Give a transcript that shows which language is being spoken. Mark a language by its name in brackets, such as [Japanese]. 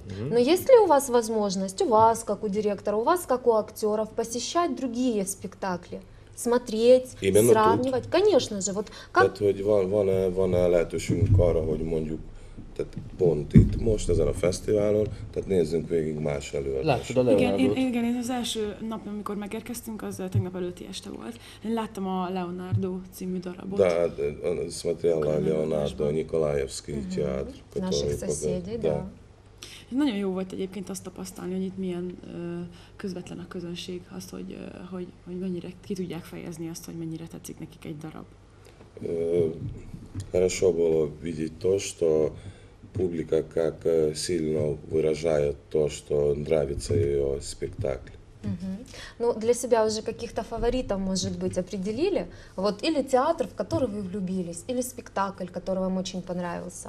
[Russian] Но есть ли у вас возможность, у вас как у директора, у вас как у актеров, посещать другие спектакли? Смотреть, именно сравнивать, тут. Конечно же, вот как. [Hungarian] Tehát, hogy van-e lehetőségünk arra, hogy mondjuk, tehát pont itt most ezen a fesztiválon, tehát nézzünk végig más előadást. Igen, én az első nap, amikor megérkeztünk, az tegnap előtti este volt. Én láttam a Leonardo című darabot. [Russian] Да, смотрела Леонардо, Николаевский театр. Наших соседей, да. [Hungarian] Nagyon jó volt egyébként azt tapasztalni, hogy itt milyen közvetlen a közönség, az, hogy mennyire ki tudják fejezni azt, hogy mennyire tetszik nekik egy darab. [Russian] Хорошо было видеть то, что публика как сильно выражает то, что нравится ее спектакль. Ну, для себя уже каких-то фаворитов, может быть, определили? Вот, или театр, в который вы влюбились, или спектакль, который вам очень понравился?